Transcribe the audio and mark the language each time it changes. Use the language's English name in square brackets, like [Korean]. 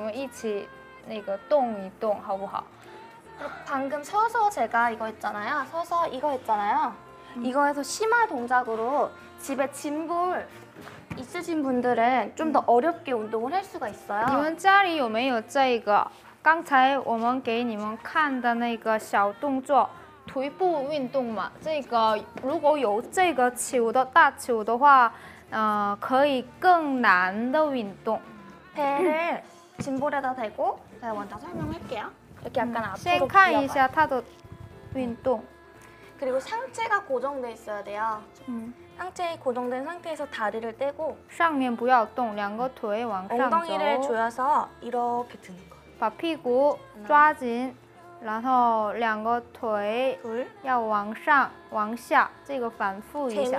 [Chinese] 那个不要只看这个我们的动作你们一起那个动一动好不好? [Korean] 방금 서서 제가 이거 했잖아요 서서 이거 했잖아요 이거에서 심화 동작으로 집에 짐볼 있으신 분들은 좀 더 어렵게 운동을 할 수가 있어요 [Chinese] 你们家里有没有这个 刚才我们给你们看的那个小动作 腿部运动嘛这个如果有这个球的大球的话可以更难的运动 [Korean] 배를 짐볼에다 대고 제가 먼저 설명할게요 이렇게 약간 앞으로 [Chinese] 先看一下他的运动 [Korean] 그리고 상체가 고정돼 있어야 돼요 상체 고정된 상태에서 다리를 떼고 [Chinese] 上面不要动两个腿往上走 [Korean] 엉덩이를 조여서 이렇게 드는 거 [Chinese] 把屁股抓紧 然后两个腿要往上往下这个反复一下